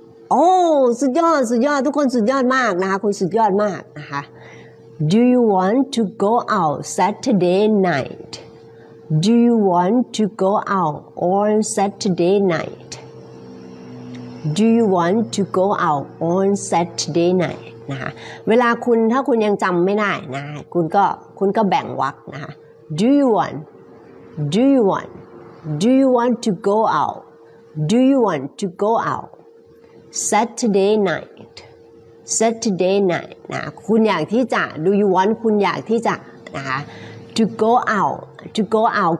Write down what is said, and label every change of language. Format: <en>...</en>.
<th>โอ้สุดยอดสุดยอดทุกคนสุดยอดมากนะคะคุณสุดยอดมากนะคะ</th> <en>Do you want to go out Saturday night? Do you want to go out on Saturday night? Do you want to go out on Saturday night?</en> <th>นะคะเวลาคุณถ้าคุณยังจำไม่ได้นะคุณก็แบ่งวรรคนะคะ</th> <en>Do you want? Do you want? Do you want to go out? Do you want to go out? Saturday night, Saturday night.</en> <th>นะคุณอยากที่จะ</th> <en>Do you want?</en> <th>คุณอยากที่จะนะคะ</th> <en>To go out, to go out.</en>